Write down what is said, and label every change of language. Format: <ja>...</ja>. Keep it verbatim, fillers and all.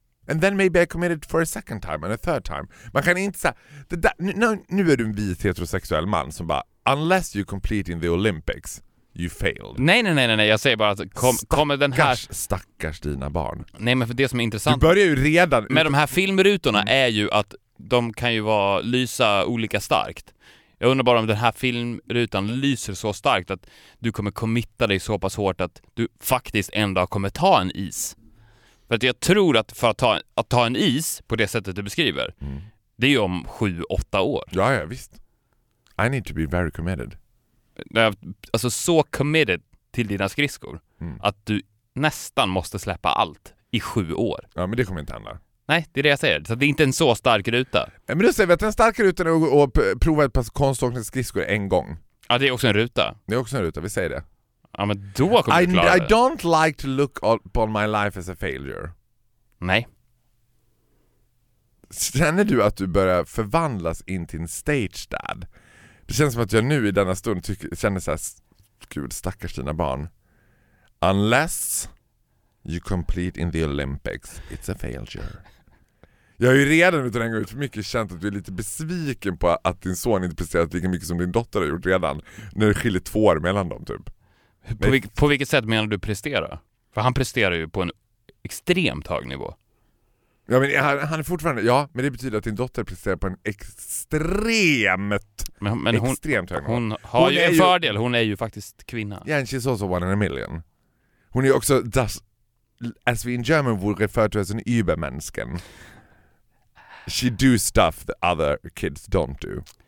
<en>And then maybe I committed for a second time and a third time.</en> <sv>Man kan inte säga... Det där, nu, nu är du en vit heterosexuell man som bara...</sv> <en>Unless you complete in the Olympics, you failed.</en> <sv>Nej, nej, nej, nej. Jag säger bara att kom, stackars, kommer den här... Stackars dina barn. Nej, men för det som är intressant... Du börjar ju redan... Med de här filmrutorna är ju att... De kan ju vara, lysa olika starkt. Jag undrar bara om den här filmrutan lyser så starkt att du kommer committa dig så pass hårt att du faktiskt en dag kommer ta en is. För att jag tror att för att ta, att ta en is på det sättet du beskriver, mm. det är ju om sju, åtta år. Ja, ja, visst.</sv> <en>I need to be very committed.</en> <sv>Alltså så committed till dina skridskor mm. att du nästan måste släppa allt i sju år. Ja, men det kommer inte hända. Nej, det är det jag säger. Så det är inte en så stark ruta. Men då säger vi att en stark ruta är att prova ett par konståkningsskridskor en gång. Ja, det är också en ruta. Det är också en ruta, vi säger det. Ja, men då kommer</sv> <en>I,</en> <sv>du klara</sv> <en>I don't like to look upon my life as a failure.</en> <sv>Nej. Känner du att du börjar förvandlas in till en stage dad? Det känns som att jag nu i denna stund tycker, känner så här, gud stackars dina barn.</sv> <en>Unless you complete in the Olympics, it's a failure.</en> <sv>Jag har ju redan utan att hänga ut för mycket känt att du är lite besviken på att din son inte presterat lika mycket som din dotter har gjort redan. När det skiljer två år mellan dem typ. På, vilk, på vilket sätt menar du prestera? För han presterar ju på en extremt hög nivå. Ja men han, han är fortfarande, ja men det betyder att din dotter presterar på en extremt, men, men hon, extremt hög nivå. Hon har hon ju en ju, fördel, hon är ju faktiskt kvinna.</sv> <en>Yeah, and she's also one in a million.</en> <sv>Hon är ju också,</sv> <en>das, as we in German would refer to as an Übermänsken. She do stuff that other kids don't do.</en>